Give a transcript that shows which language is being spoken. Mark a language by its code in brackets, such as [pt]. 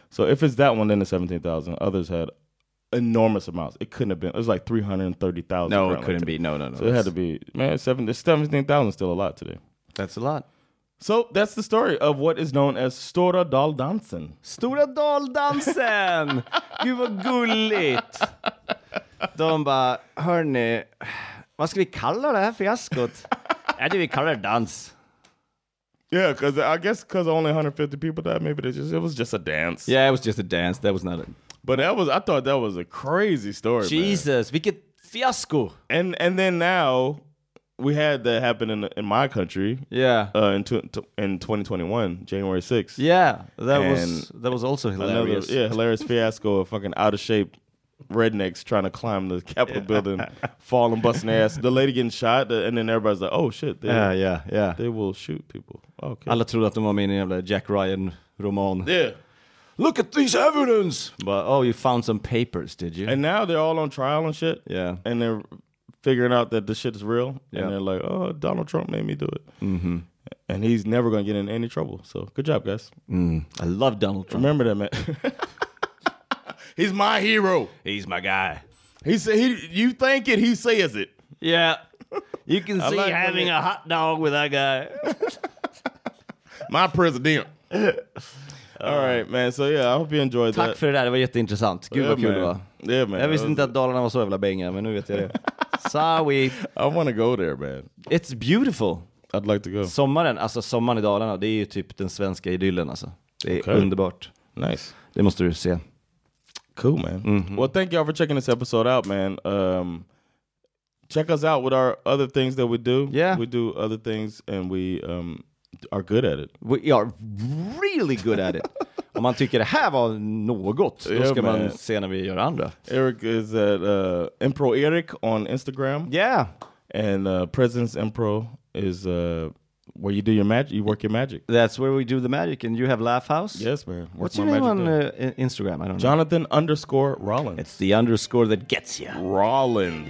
[en] So if it's that one, then the 17,000. Others had enormous amounts. It couldn't have been. It was like 330,000. No, it couldn't be. No. So it had to be. Man, 17,000 is still a lot today. That's a lot. So that's the story of what is known as Stora Daldansen. [sv] Stora Daldansen! Gud vad gulligt! De bara, hörni, vad ska vi kalla det här fiaskot? Är det vi kallar dans? [en] Yeah, because I guess because only 150 people died, maybe it was just a dance. Yeah, it was just a dance. That was not it. But I thought that was a crazy story. Jesus, man. [sv] Vilket fiasko! [en] And then now we had that happen in my country. Yeah. In 2021, January 6th. Yeah, that was also hilarious. Hilarious fiasco of fucking out of shape rednecks trying to climb the Capitol building, falling, busting ass. The lady getting shot, and then everybody's like, "Oh shit!" Yeah. They will shoot people. Okay. [sv] Alla trodde att de var med i en Jack Ryan roman. [en] Yeah. Look at these evidence. But you found some papers, did you? And now they're all on trial and shit. Yeah. And they're figuring out that the shit is real. Yeah. And they're like, oh, Donald Trump made me do it. Mm-hmm. And he's never going to get in any trouble. So good job, guys. Mm. I love Donald Trump. Remember that, man. He's my hero. He's my guy. You think it, he says it. Yeah. You can see like having a hot dog with that guy. My president. All right, man. So yeah, I hope you enjoyed [sv] Tack [en] that. [sv] För det där. Det var jätteintressant. Gud vad kul det var. [en] Yeah, man. [sv] Jag visste inte att Dalarna var så jävla bänga, men nu vet jag det. [en] Sorry. I want to go there, man. It's beautiful. I'd like to go. [sv] Sommaren, alltså sommaren i Dalarna, det är ju typ den svenska idyllen alltså. Det är underbart. [en] Nice. [sv] Det måste du se. [en] Cool, man. Mm-hmm. Well, thank y'all for checking this episode out, man. Check us out with our other things that we do. Yeah. We do other things and we are good at it. We are really good at it. [sv] Om man tycker det här var något, då ska man se när vi gör andra. [en] Eric is at Impro Eric on Instagram. Yeah. And Presence Impro is where you do your magic. You work your magic. That's where we do the magic. And you have Laugh House? Yes, man. What's your name on Instagram? I don't know. Jonathan underscore Rollins. It's the underscore that gets you. Rollins.